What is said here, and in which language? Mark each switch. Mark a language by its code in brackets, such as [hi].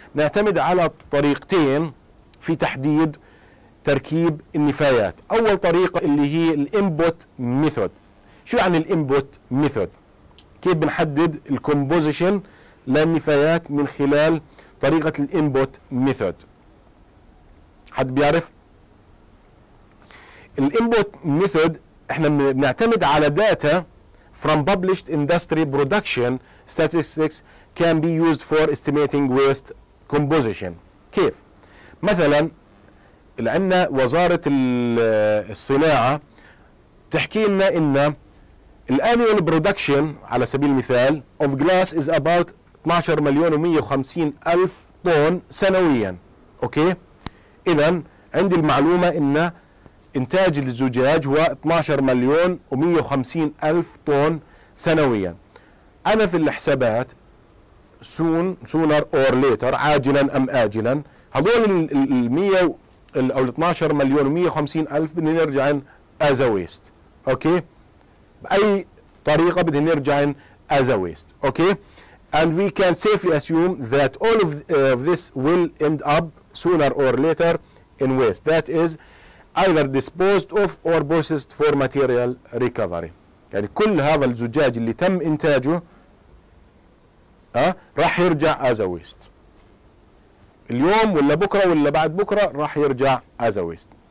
[ar] نعتمد على طريقتين في تحديد تركيب النفايات. اول طريقه اللي هي الانبوت ميثود. شو يعني الانبوت ميثود؟ كيف بنحدد الكومبوزيشن للنفايات؟ من خلال طريقه الانبوت ميثود. حد بيعرف الانبوت ميثود؟ احنا بنعتمد على داتا [en] from published industry production statistics can be used for estimating waste composition. [ar] كيف؟ مثلا عندنا وزارة الصناعة تحكي لنا ان الانوال برودكشن على سبيل المثال [en] of glass is about [ar] 12 مليون و 150 الف طن سنويا. اوكي، اذا عندي المعلومة ان انتاج الزجاج هو 12 مليون و 150 الف طن سنويا. انا في الحسابات [en] sooner or later, [ar] عاجلا ام اجلا، هذول ال 100 او ال 12 مليون و 150 الف بدنا نرجع ازا ويست. اوكي، باي طريقه بدهن يرجعن [en] as a waste. Okay, and we can safely assume that all of this will end up sooner or later in waste, that is either disposed of or processed for material recovery. [ar] يعني كل هذا الزجاج اللي تم انتاجه راح يرجع [en] as a waste [ar] اليوم ولا بكره ولا بعد بكره راح يرجع as a waste.